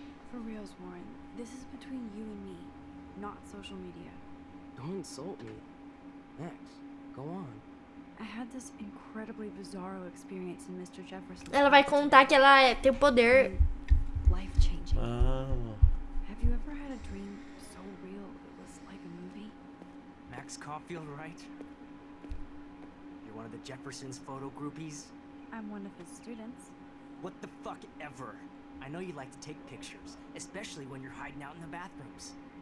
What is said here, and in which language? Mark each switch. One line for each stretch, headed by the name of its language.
English: For reals, Warren, this is between you and me, not social media. Don't insult me. Max, go on. I had this incredibly bizarro experience in Mr. Jefferson.
Portuguese: Ela vai contar que ela tem o poder.
English: Life changing. Have you ever had a dream so real it was like a movie? Max Caulfield, right? You're one of the Jefferson's photo groupies? I'm one of his students. What the fuck ever? I know you like to take pictures, especially when you're hiding out in the bathrooms.